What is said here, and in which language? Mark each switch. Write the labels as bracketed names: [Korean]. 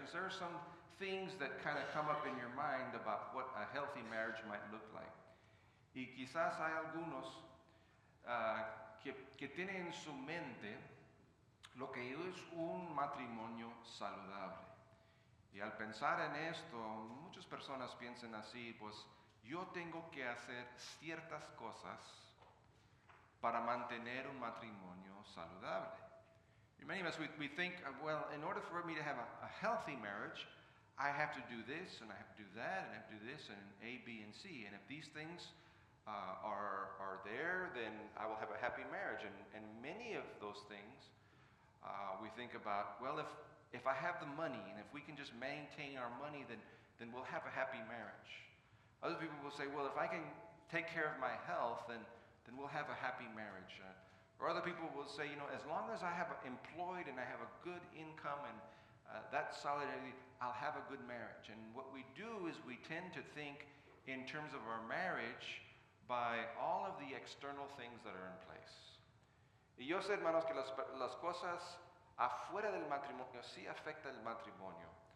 [English] Is there some things that kind of come up in your mind about what a healthy marriage might look like? [Spanish] Y quizás hay algunos que tienen en su mente lo que es un matrimonio saludable. Y al pensar en esto, muchas personas piensan así, pues yo tengo que hacer ciertas cosas para mantener un matrimonio saludable. [English] Many of us, we think, well, in order for me to have a healthy marriage, I have to do this, and I have to do that, and I have to do this, and A, B, and C. And if these things are there, then I will have a happy marriage. And many of those things, we think about, well, if I have the money, and if we can just maintain our money, then we'll have a happy marriage. Other people will say, well, if I can take care of my health, then we'll have a happy marriage. Or other people will say, you know, as long as I have employed and I have a good income and that solidarity, I'll have a good marriage. And what we do is we tend to think in terms of our marriage by all of the external things that are in place. [Spanish] Y yo sé, hermanos, que las cosas afuera del matrimonio sí afectan el matrimonio.